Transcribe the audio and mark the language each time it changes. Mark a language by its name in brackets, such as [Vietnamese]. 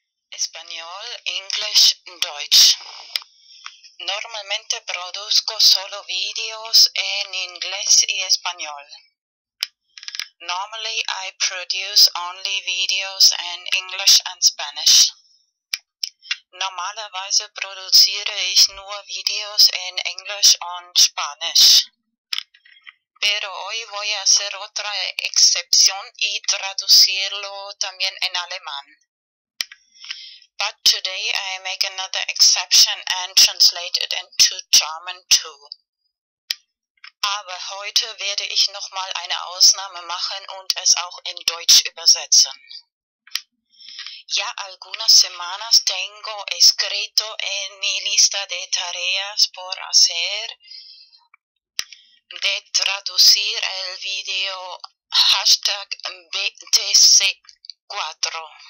[Spanish] Español, English, Deutsch. Normalmente produzco solo videos en inglés y español. [English] Normally I produce only videos in English and Spanish. [German] Normalerweise produziere ich nur videos en English und Spanisch. [Spanish] Pero hoy voy a hacer otra excepción y traducirlo también en alemán. [English] But today I make another exception and translate it into German too. [German] Aber heute werde ich nochmal eine Ausnahme machen und es auch in Deutsch übersetzen. [Spanish] Ya algunas semanas tengo escrito en mi lista de tareas por hacer de traducir el video hashtag BTC4.